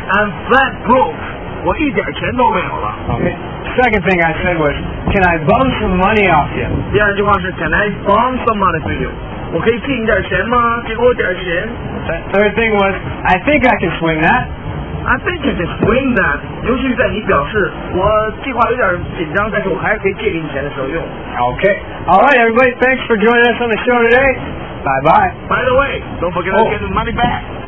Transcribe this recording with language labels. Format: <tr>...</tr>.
<en>I'm flat broke.</en> <zh>我一点钱都没有了。</zh> <en>Okay. Second thing I said was, can I bum some money off you?</en> <zh>第二句话是</zh> <en>can I bum some money for you?</en> <zh>我可以借你点钱吗？给我点钱。</zh> <en>Third thing was, I think I can swing that. I think I can swing that.</en> <zh>尤其是在你表示我计划有点紧张，但是我还是可以借给你钱的时候用。</zh> <en>Okay. All right, everybody. Thanks for joining us on the show today. Bye bye. By the way, don't forget to get the money back.</en>